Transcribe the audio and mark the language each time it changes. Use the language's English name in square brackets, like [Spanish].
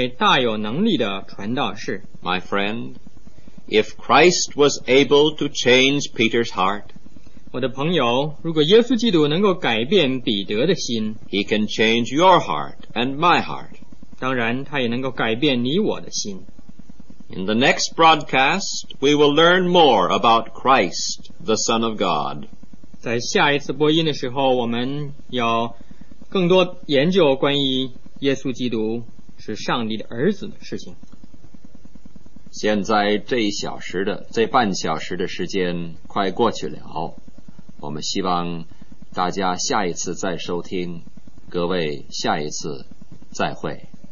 [Chinese] 到彼得真正的悔改了之后，他就成为耶稣基督一位大有能力的传道士。 [English] My friend, if Christ was able to change Peter's heart, [Chinese] 我的朋友，如果耶稣基督能够改变彼得的心， [English] he can change your heart and my heart. [Chinese] 当然，他也能够改变你我的心。 [English] In the next broadcast, we will learn more about Christ, the Son of God. [Chinese] 在下一次播音的时候，我们要更多研究关于耶稣基督是上帝的儿子的事情。现在这一小时的这半小时的时间快过去了，我们希望大家下一次再收听，各位下一次再会。